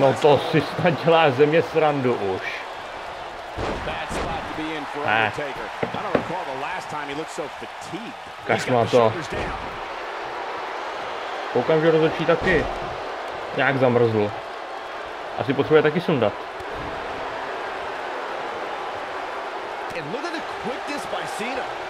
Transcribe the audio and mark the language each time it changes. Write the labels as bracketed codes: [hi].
[cs] No to si snad dělá ze mě srandu už. [en] Bad spot to be in for Undertaker. I don't recall the last time he looked so fatigued. [cs] Kašlu na to. Koukám, že rozhodčí taky. Nějak zamrzl. Asi potřebuje taky sundat. [en] And look at the quickness by Cena.